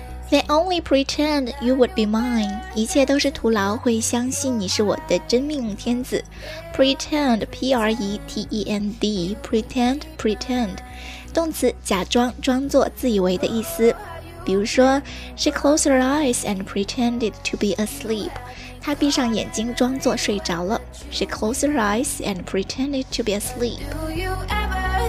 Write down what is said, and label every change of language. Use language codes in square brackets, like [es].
[en] They only pretend you would be mine. [zh] 一切都是徒劳，会相信你是我的真命天子。 [en] Pretend, P-R-E-T-E-N-D, pretend, pretend. [zh] 动词假装、装作、自以为的意思。比如说 [en] ,She closed her eyes and pretended to be asleep. [zh] 她闭上眼睛装作睡着了。 [en] She closed her eyes and pretended to be asleep.